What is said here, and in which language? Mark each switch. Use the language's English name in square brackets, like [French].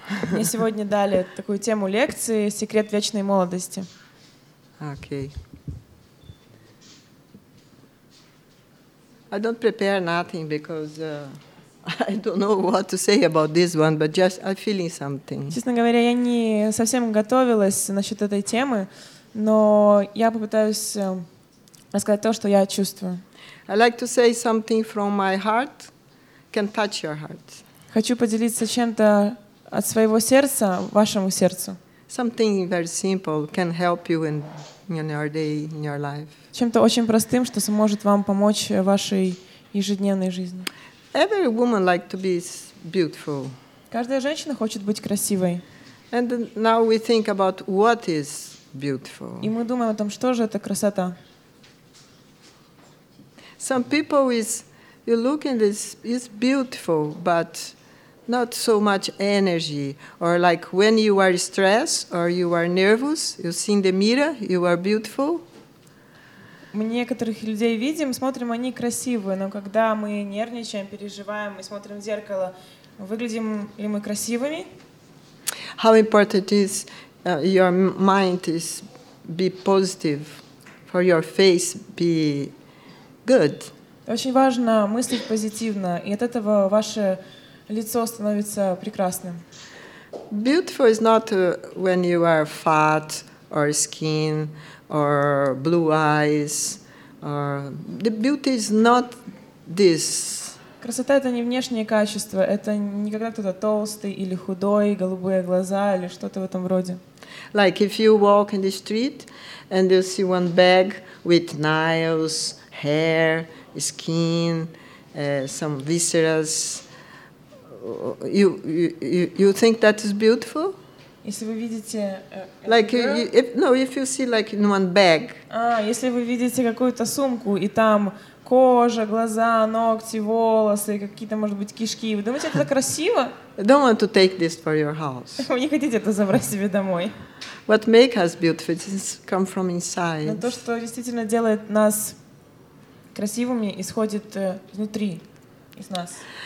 [Russian] Мне сегодня дали такую тему лекции «Секрет вечной молодости». [English] Okay. I don't prepare nothing because I don't know what to say about this one, but just I'm feeling something. [Russian] Честно говоря, я не совсем готовилась насчет этой темы, но я попытаюсь рассказать то, что я чувствую. [English] I like to say something from my heart can touch your heart. [Russian] Хочу поделиться чем-то от своего сердца вашему сердцу. [English] Something very simple can help you in your day, in your life. [Russian] Чем-то очень простым, что сможет вам помочь в вашей ежедневной жизни. [English] Every woman likes to be beautiful. [Russian] Каждая женщина хочет быть красивой. [English] And now we think about what is beautiful. [Russian] И мы думаем о том, что же это красота. [English] Some people is you look and it's beautiful, but not so much energy. Or like when you are stressed or you are nervous, you see in the mirror, you are beautiful. [Russian] Мы некоторых людей видим, смотрим, они красивые, но когда мы нервничаем, переживаем, мы смотрим в зеркало, выглядим ли мы красивыми? [English] How important is your mind is be positive, for your face be good. [Russian] Очень важно мыслить позитивно, и от этого ваше лицо становится прекрасным. [English] Beautiful is not when you are fat or skin. Or blue eyes, or the beauty is not this. [Russian] Красота это не внешние качества, это не когда кто-то толстый или худой, голубые глаза или что-то в этом роде. [English] Like if you walk in the street and you see one bag with nails, hair, skin, some visceras, you think that is beautiful? [Russian] Если вы видите, [English] if you see like in one bag. [Russian] Если вы видите какую-то сумку и там кожа, глаза, ногти, волосы, какие-то, может быть, кишки, вы думаете, это красиво? [English] Don't want to take this for your house. [Russian] Вы не хотите это забрать себе домой. [English] What makes us beautiful is come from inside. [Russian] Но то, что действительно делает нас красивыми, исходит внутри, из нас.